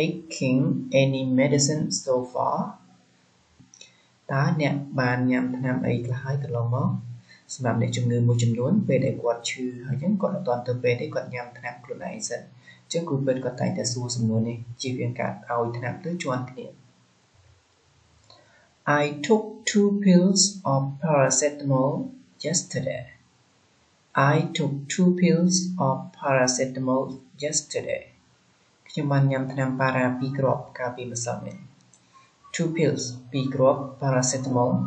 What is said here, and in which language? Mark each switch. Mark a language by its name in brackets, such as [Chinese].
[English] Have you been taking any medicine so far? [Khmer] តើអ្នកបានញ៉ាំថ្នាំអីខ្លះហើយកន្លងមកសម្រាប់អ្នកជំងឺមួយចំនួនពេលដែលគាត់ឈឺហើយអញ្ចឹងគាត់អត់ទាន់ទៅពេទ្យទេគាត់ញ៉ាំថ្នាំខ្លួនឯងសិនអញ្ចឹងគ្រូពេទ្យគាត់តែងតែសួរសំណួរនេះជាវាងការឲ្យថ្នាំទៅជន់គ្នា [English] I took 2 pills of paracetamol yesterday. I took 2 pills of paracetamol yesterday. [Khmer] ខ្ញុំបានញ៉ាំថ្នាំប៉ារ៉ា2គ្រាប់កាលពីម្សិលមិញ. [English] 2 pills, 2គ្រាប់ paracetamol